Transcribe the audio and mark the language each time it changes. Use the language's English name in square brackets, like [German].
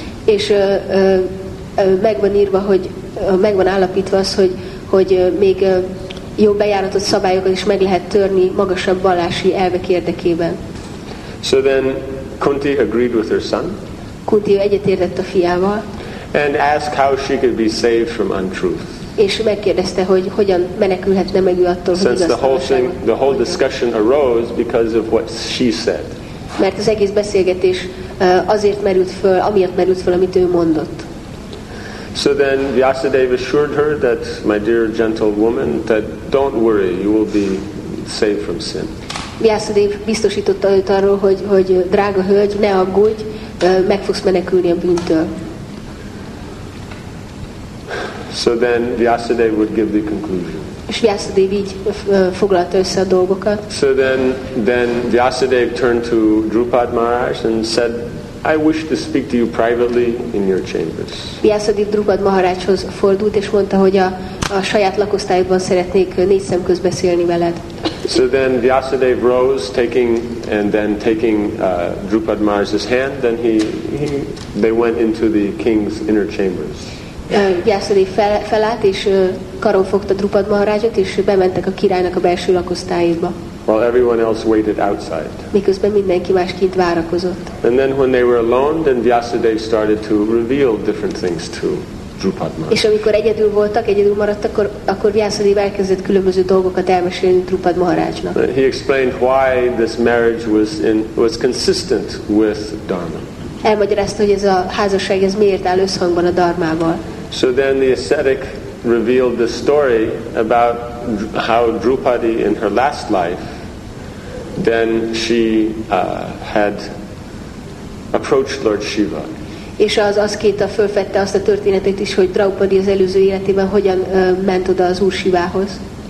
[Hungarian] És megvan írva, hogy megvan állapítva az, hogy még jó bejáratott szabályokat is meg lehet törni magasabb vallási elvek érdekében. [English] So then Kunti agreed with her son. [Hungarian] Kunti egyetértett a fiával. [English] And asked how she could be saved from untruth. [Hungarian] És megkérdezte, hogy hogyan menekülhetne meg ő attól, hogy [English] the whole discussion arose because of what she said. [Hungarian] Mert az egész beszélgetés azért merült föl, amiatt merült föl, amit ő mondott. [English] So then Vyasadeva assured her that, my dear gentle woman, that don't worry, you will be saved from sin. [Hungarian] Vyasadeva biztosította őt arról, hogy drága hölgy, ne aggódj, meg fogsz menekülni a bűntől. [English] So then Vyasadeva would give the conclusion. [Hungarian] És Vyasadeva így foglalta össze a dolgokat. [English] So then Vyasadeva turned to Drupad Maharaj and said, I wish to speak to you privately in your chambers. [Hungarian] Vyasadeva Drupad Maharajhoz fordult és mondta, hogy a saját lakosztályban szeretnék négy szem közt beszélni veled. [English] So then Vyasadeva rose, taking Drupad Maharaj's hand, then they went into the king's inner chambers. [Hungarian] Vyasadeva felállt és karon fogta Drupad Maharajot és bementek a királynak a belső lakosztályába. [English] While everyone else waited outside. [Hungarian] Miközben mindenki más kint várakozott. [English] And then when they were alone, then Vyasadeva started to reveal different things to Drupad Maharaj. [Hungarian] És amikor egyedül voltak, egyedül maradtak, akkor Vyasadeva elkezdett különböző dolgokat elmesélni Drupad Maharajnak. [English] He explained why this marriage was consistent with Dharma. [Hungarian] Elmagyarázta, hogy ez a házasság ez miért áll összhangban a Dharmával. [English] So then the ascetic revealed the story about how Drupadi in her last life, then she had approached Lord Shiva. [Hungarian] És az aszkéta fölfedte azt a történetet is, hogy Draupadi az előző életében hogyan ment oda az Úr Sivához.